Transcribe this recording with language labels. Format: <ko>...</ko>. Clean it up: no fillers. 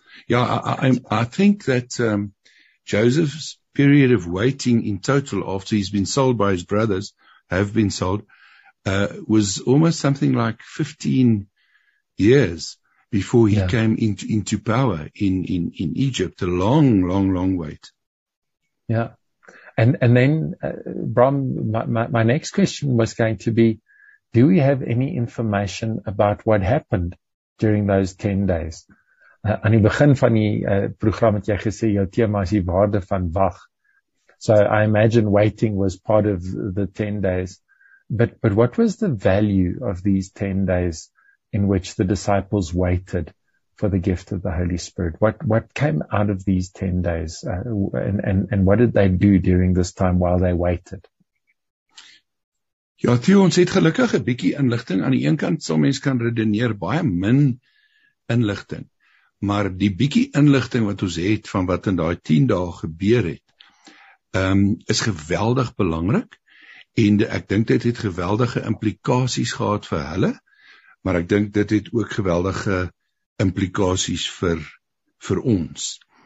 <en>I think that Joseph's period of waiting in total after he's been sold by his brothers, have been sold, was almost something like 15 years before he came into power in Egypt. A long, long, long wait. Yeah. And then, Bram, my next question was going to be, do we have any information about what happened during those 10 days?</en> <af>Aan die begin van die program het jy gesê jou tema is die waarde van wag.</af> <en>So I imagine waiting was part of the 10 days. But what was the value of these 10 days in which the disciples waited for the gift of the Holy Spirit? What came out of these 10 days and what did they do during this time while they waited?</en> <af>Ja, Theo, ons het gelukkig 'n bietjie inligting. Aan die een kant sal mens kan redeneer baie min inligting. Maar die bietjie inligting wat ons het van wat in daai 10 dae gebeur het, is geweldig belangrik en ek dink dit het geweldige implikasies gehad vir hulle, maar ek dink dit het ook geweldige implikasies vir ons.</af>